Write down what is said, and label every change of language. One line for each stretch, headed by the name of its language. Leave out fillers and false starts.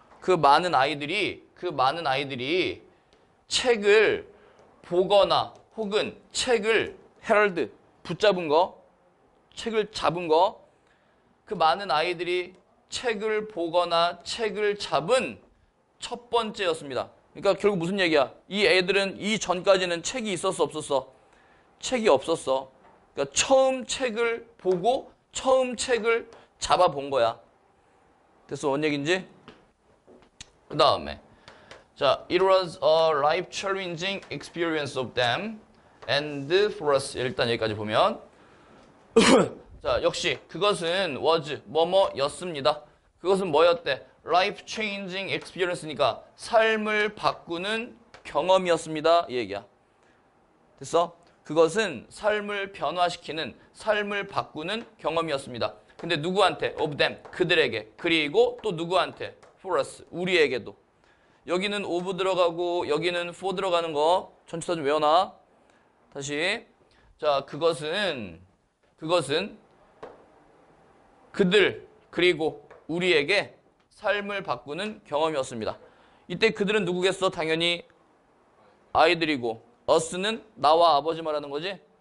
Korean: 그 많은 아이들이, 그 많은 아이들이 책을 보거나 혹은 책을 herald, 붙잡은 거, 책을 잡은 거, 그 많은 아이들이 책을 보거나 책을 잡은 첫 번째였습니다. 그러니까 결국 무슨 얘기야? 이 애들은 이 전까지는 책이 있었어, 없었어? 책이 없었어. 그러니까 처음 책을 보고 처음 책을 잡아본 거야. 됐어, 뭔 얘기인지? 그 다음에.
English: 자, it was a life-challenging experience of them. And for us,
Korean: 일단 여기까지 보면 자, 역시 그것은 was 뭐뭐였습니다. 그것은 뭐였대?
English: Life changing experience
Korean: 니까 삶을 바꾸는 경험이었습니다. 이 얘기야. 됐어? 그것은 삶을 변화시키는, 삶을 바꾸는 경험이었습니다. 근데 누구한테? Of them, 그들에게. 그리고 또 누구한테? For us, 우리에게도. 여기는 of 들어가고 여기는 for 들어가는 거 전체적으로 좀 외워놔. 다시. 자, 그것은 그들 그리고 우리에게 삶을 바꾸는 경험이었습니다. 이때 그들은 누구겠어? 당연히 아이들이고 us는 나와 아버지 말하는 거지.